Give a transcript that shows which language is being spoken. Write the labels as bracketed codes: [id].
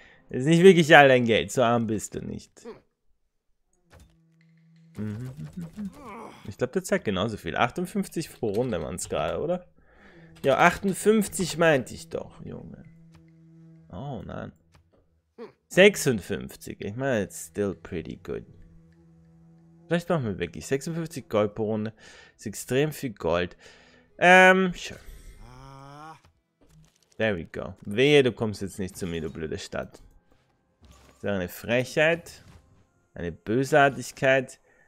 [de] Ist nicht wirklich all dein Geld, so arm bist du nicht. Ich glaube, der zeigt genauso viel. 58 pro Runde waren es gerade, oder? Ja, 58 meinte ich doch, Junge. Oh nein. [en] 56, [de] ich meine, [en] it's still pretty good. [de] Vielleicht machen wir wirklich 56 Gold pro Runde. Ist extrem viel Gold. [en] Sure. There we go. [de] Wehe, du kommst jetzt nicht zu mir, du blöde Stadt. Das ist eine Frechheit. Eine Bösartigkeit.